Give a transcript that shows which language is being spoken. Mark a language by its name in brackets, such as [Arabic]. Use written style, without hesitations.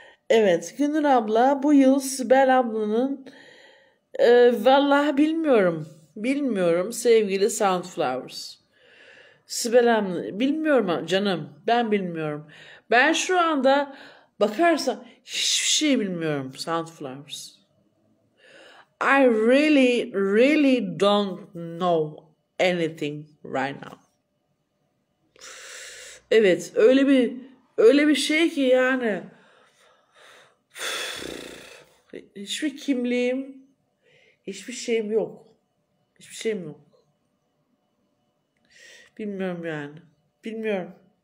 [Turkish] Evet, Gündür abla bu yıl Sibel ablanın vallahi bilmiyorum. Bilmiyorum sevgili Sunflowers. Sibel abla bilmiyorum canım. Ben bilmiyorum. Ben şu anda bakarsan hiçbir şey bilmiyorum Sunflowers. [English] I really don't know anything right now. [Turkish] Evet, öyle bir şey ki yani hiçbir kimliğim, hiçbir şeyim yok. Hiçbir şeyim yok. Bilmiyorum yani. Bilmiyorum.